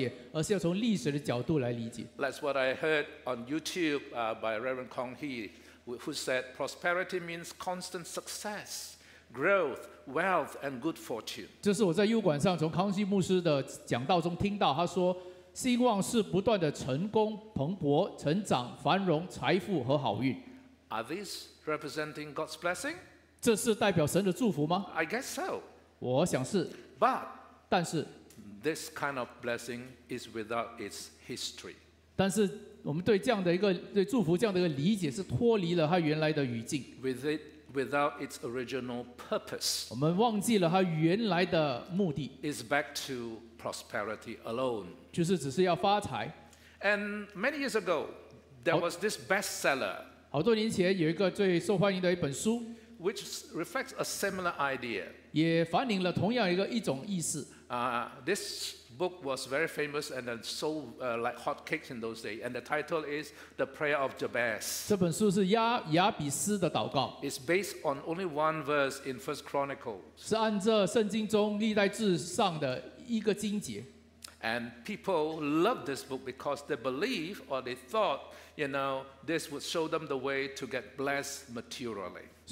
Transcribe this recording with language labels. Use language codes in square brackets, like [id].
[zh] 我们要看的是要了解祝福的意思，不单只是在今天的世界来了解，而是要从历史的角度来理解。 [en] That's what I heard on YouTube by Reverend Kong He, who said prosperity means constant success, growth, wealth, and good fortune. [zh] 这是我在油管上从康熙牧师的讲道中听到，他说，兴旺是不断的成功、蓬勃、成长、繁荣、财富和好运。 [en] Are these representing God's blessing? [zh] 这是代表神的祝福吗？ [en] I guess so. [zh] 我想是。 [en] But [zh] 但是 [en] this kind of blessing is without its history. [zh] 但是我们对这样的一个对祝福这样的一个理解是脱离了它原来的语境。 [en] Without its original purpose. [zh] 我们忘记了它原来的目的。 [en] It's back to prosperity alone. [zh] 就是只是要发财。 [en] And many years ago, there was this bestseller. [zh] 好多年前有一个最受欢迎的一本书。 [en] Which reflects a similar idea. [zh] 也反映了同样一个一种意思。 [en] This book was very famous and sold like hotcakes in those days. And the title is The Prayer of Jabez. [zh] 这本书是亚比斯的祷告。 [en] It's based on only one verse in 1 Chronicles. [zh] 是按照圣经中历代志上的一个经节。 [en] And people love this book because they believe or they thought, you know, this would show them the way to get blessed materially.